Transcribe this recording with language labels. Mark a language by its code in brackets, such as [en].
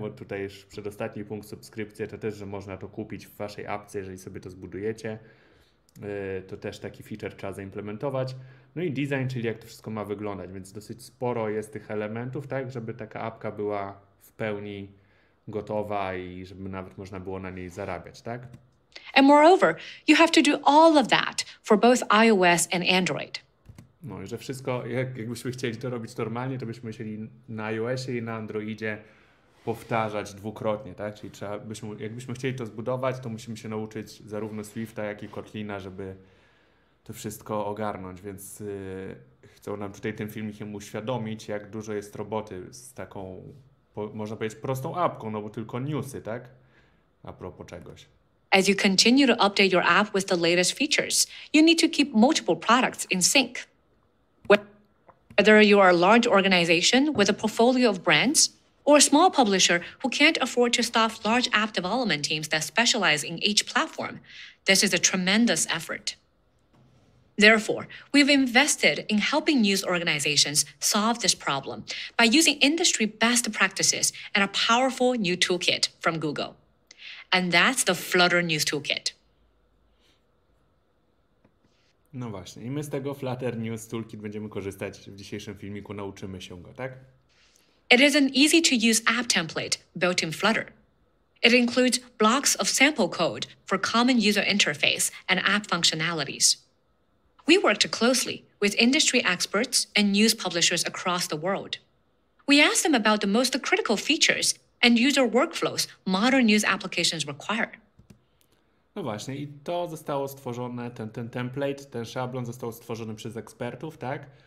[pl] Bo tutaj już przedostatni punkt, subskrypcja, to też, że można to kupić w waszej apce, jeżeli sobie to zbudujecie. To też taki feature trzeba zaimplementować. No i design, czyli jak to wszystko ma wyglądać, więc dosyć sporo jest tych elementów, tak, żeby taka apka była w pełni gotowa i żeby nawet można było na niej zarabiać, tak? [en] And moreover, you have to do all of that for both iOS and Android. [pl] No i że wszystko, jakbyśmy chcieli to robić normalnie, to byśmy musieli na iOSie i na Androidzie powtarzać dwukrotnie, tak? Czyli trzeba, jakbyśmy chcieli to zbudować, to musimy się nauczyć zarówno Swifta, jak i Kotlina, żeby to wszystko ogarnąć, więc chcą nam tutaj tym filmikiem uświadomić, jak dużo jest roboty z taką, można powiedzieć, prostą apką, no bo tylko newsy, tak? A propos czegoś. [en] As you continue to update your app with the latest features, you need to keep multiple products in sync. Whether you are a large organization with a portfolio of brands, or a small publisher who can't afford to staff large app development teams that specialize in each platform, this is a tremendous effort. Therefore, we've invested in helping news organizations solve this problem by using industry best practices and a powerful new toolkit from Google. And that's the Flutter News Toolkit. [pl] No właśnie, i my z tego Flutter News Toolkit będziemy korzystać w dzisiejszym filmiku, nauczymy się go, tak? [en] It is an easy-to-use app template built in Flutter. It includes blocks of sample code for common user interface and app functionalities. We worked closely with industry experts and news publishers across the world. We asked them about the most critical features and user workflows modern news applications require. [pl] No właśnie, i to zostało stworzone, ten template, ten szablon został stworzony przez ekspertów, tak?